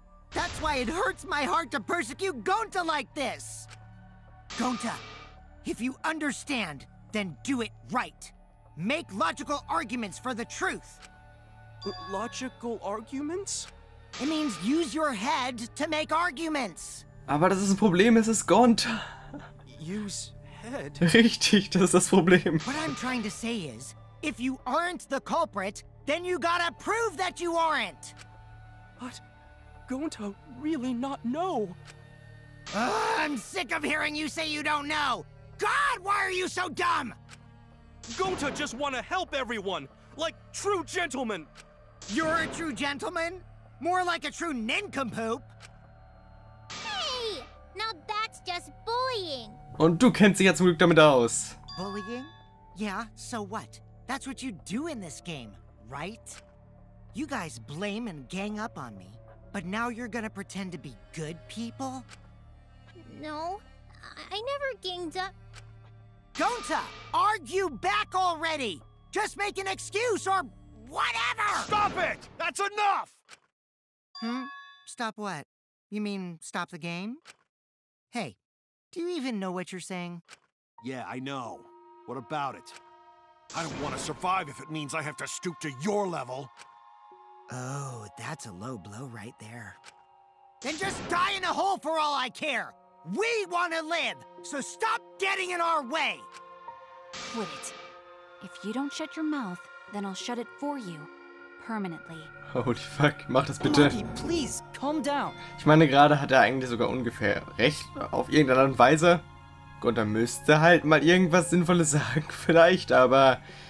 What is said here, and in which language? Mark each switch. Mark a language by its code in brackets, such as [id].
[en] That's why it hurts my heart to persecute Gonta like this! Gonta, if you understand, then do it right. Make logical arguments for the truth. Logical arguments? It means use your head to make arguments. [de] Aber das ist ein Problem, es ist Gonta. [en] Use head. [de] Richtig, das ist das Problem. [en] What I'm trying to say is, if you aren't the culprit, then you gotta prove that you aren't. But Gonta really not know. I'm sick of hearing you say you don't know. God, why are you so dumb? Gonta just wanna help everyone. Like true gentlemen. You're a true gentleman? More like a true nincompoop. Hey! Now that's just bullying. [de] Und du kennst dich ja zum Glück damit aus. [en] Bullying? Yeah, so what? That's what you do in this game, right? You guys blame and gang up on me, but now you're gonna pretend to be good people? No, I never ganged up. Gonta, argue back already! Just make an excuse or whatever! Stop it! That's enough! Hmm? Stop what? You mean stop the game? Hey, do you even know what you're saying? Yeah, I know. What about it? I don't want to survive if it means I have to stoop to your level. Oh, that's a low blow right there. Then just die in a hole for all I care! We want to live! So stop getting in our way! Quit it. If you don't shut your mouth, then I'll shut it for you. permanently. Holy fuck, [de] mach das bitte. [en] Bloody, please, calm down. [de] Ich meine, gerade hat er eigentlich sogar ungefähr recht, auf irgendeine Art und Weise. Gunther müsste halt mal irgendwas Sinnvolles sagen, vielleicht, aber...